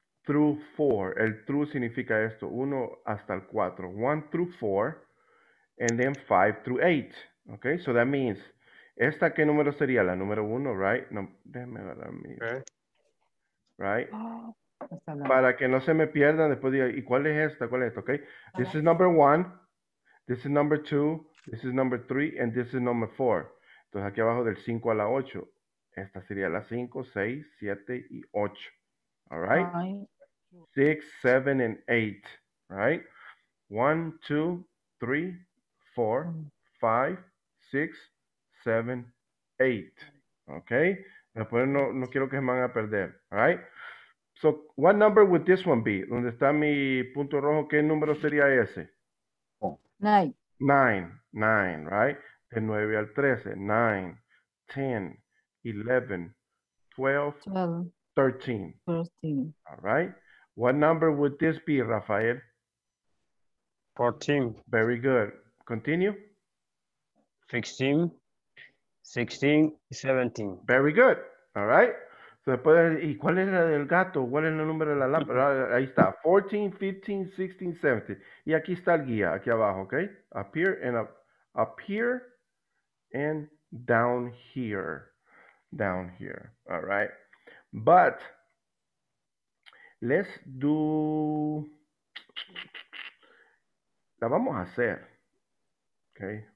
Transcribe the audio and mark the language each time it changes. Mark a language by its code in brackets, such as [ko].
[es] El through significa esto, uno hasta el cuatro. [en] One through four, and then five through eight. Okay, so that means, [es] ¿esta qué número sería? La número uno, right? No, déjame agarrar mi... Okay. Right? Oh. Para que no se me pierdan después diga, ¿y cuál es esta? ¿Cuál es esto? Okay. [en] This is number one, this is number two, this is number three, and this is number four. [es] Entonces aquí abajo del 5 a la 8, esta sería la 5, 6, 7 y 8. [en] All right? 6, 7, and 8. Right? 1, 2, 3, 4, 5, 6, 7, 8. Okay? [es] Después no quiero que se me van a perder. [en] All right? So, what number would this one be? [es] ¿Dónde está mi punto rojo? ¿Qué número sería ese? [en] Nine. Nine, right? [es] De 9 al 13. [en] 9, 10, 11, 12, 13. 13. All right. What number would this be, Rafael? 14. Very good. Continue. 16, 16, 17. Very good. All right. [es] Después, ¿y cuál es la del gato? ¿Cuál es el número de la lámpara? Ahí está. 14, 15, 16, 17. Y aquí está el guía, aquí abajo, ¿ok? [en] Up here and up here and down here. Down here. All right. But let's do... [es] La vamos a hacer. ¿Ok?